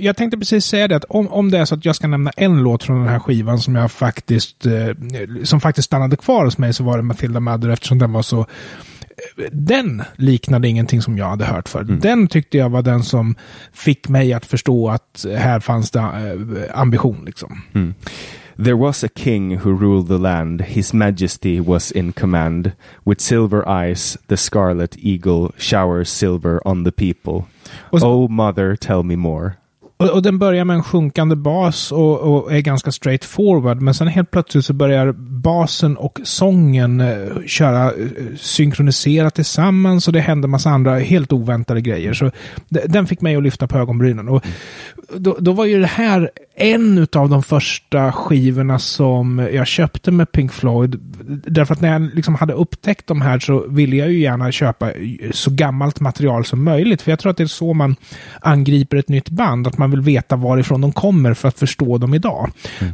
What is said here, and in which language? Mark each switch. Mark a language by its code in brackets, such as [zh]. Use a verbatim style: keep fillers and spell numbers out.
[sv] Jag tänkte precis säga det, att om, om det är så att jag ska nämna en låt från den här skivan som jag faktiskt eh, som faktiskt stannade kvar hos mig, så var det Matilda Mother, eftersom den var så eh, den liknade ingenting som jag hade hört för. Mm. Den tyckte jag var den som fick mig att förstå att här fanns det eh, ambition liksom. Mm. [en] There was a king who ruled the land, his majesty was in command, with silver eyes the scarlet eagle showers silver on the people. [sv] Och så, [en] oh mother, tell me more. [sv] Och, och den börjar med en sjunkande bas och, och är ganska straight forward, men sen helt plötsligt så börjar basen och sången eh, köra eh, synkronisera tillsammans, och det händer massa andra helt oväntade grejer. Så d- den fick mig att lyfta på ögonbrynen. Och då, då var ju det här en av de första skivorna som jag köpte med Pink Floyd, därför att när jag liksom hade upptäckt de här så ville jag ju gärna köpa så gammalt material som möjligt, för jag tror att det är så man angriper ett nytt band, att man vill veta varifrån de kommer för att förstå dem idag. Mm.